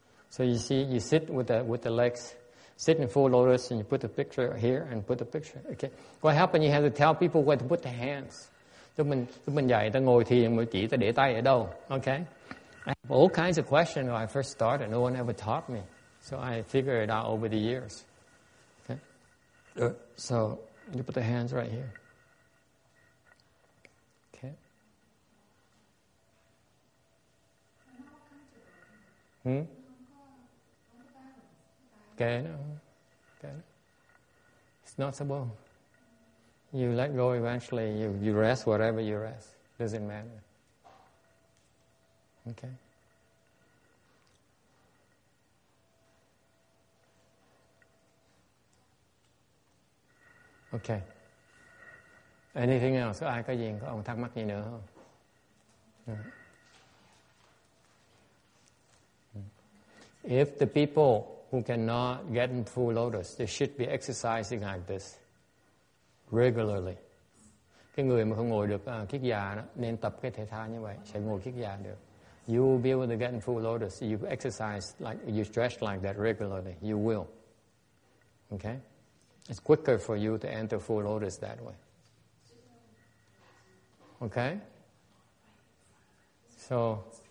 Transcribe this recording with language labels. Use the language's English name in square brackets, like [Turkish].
[English] So you see, you sit with the legs. Sit in full lotus and you put the picture here and put the picture. Okay. What happened? You have to tell people where to put the hands. [Vietnamese] Chúng mình dạy ta ngồi thiền, mình chỉ ta để tay ở đâu. [English] Okay. I have all kinds of questions when I first started. No one ever taught me. So I figured it out over the years. Okay. So you put the hands right here. Okay. Okay, no. Okay. It's not so bad. You let go eventually, you rest whatever you rest. Doesn't matter. Okay. Okay. Anything else? [Vietnamese] Ai có gì có ông thắc mắc gì nữa không? [English] If the people who cannot get in full lotus, they should be exercising like this regularly. [Vietnamese] Cái người mà không ngồi được kiết già đó nên tập cái thể thao như vậy sẽ ngồi kiết già được. [English] You will be able to get in full lotus. You exercise like you stretch like that regularly. You will. Okay, it's quicker for you to enter full lotus that way. Okay, so.